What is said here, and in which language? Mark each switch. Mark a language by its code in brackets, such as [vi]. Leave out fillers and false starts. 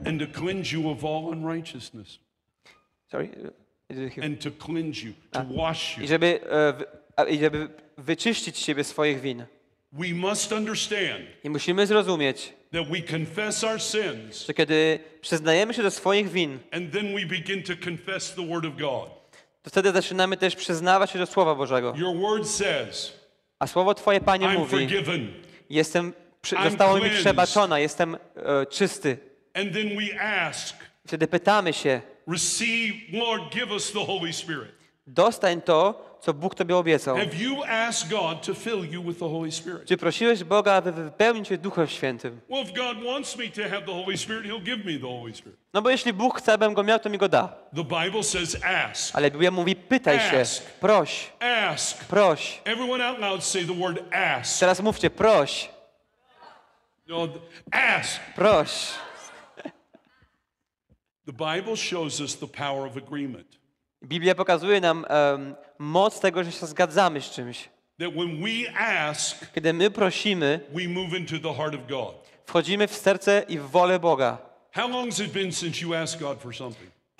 [en] and to cleanse you of all unrighteousness. Sorry? And to cleanse you, to wash you. [pl] I żeby wyczyścić siebie swoich win. [en] We must understand, [pl] i musimy zrozumieć, [en] that we confess our sins, [pl] że kiedy przyznajemy się do swoich win, [en] and then we begin to confess the word of God, [pl] to wtedy zaczynamy też przyznawać się do Słowa Bożego. [en] Your word says, [pl] a Słowo Twoje, Panie, mówi, [en] I'm forgiven, [pl] jestem, zostało mi przebaczona, jestem czysty. [en] And then we ask, [pl] wtedy pytamy się, [en] receive, Lord, give us the Holy Spirit. [pl] Dostań to, co Bóg Tobie obiecał. [en] Have you asked God to fill you with the Holy Spirit? [pl] Czy prosiłeś Boga, aby wypełnić Cię Duchem Świętym? [en] Well, if God wants me to have the Holy Spirit, He'll give me the Holy Spirit. [pl] No bo jeśli Bóg chce, abym go miał, to mi go da. [en] The Bible says, ask. [pl] Ale Biblia mówi, pytaj [en] ask. [pl] Się, proś. [en] Ask. [pl] Proś. [en] Everyone out loud say the word ask. [pl] Teraz mówcie, proś. [en] No, ask. [pl] Proś. [en] The Bible shows us the power of agreement. [pl] Biblia pokazuje nam moc tego, że się zgadzamy z czymś. [en] That when we ask, [pl] kiedy my prosimy, [en] we move into the heart of God. [pl] Wchodzimy w serce i w wolę Boga. [en] How long has it been since you asked God for something?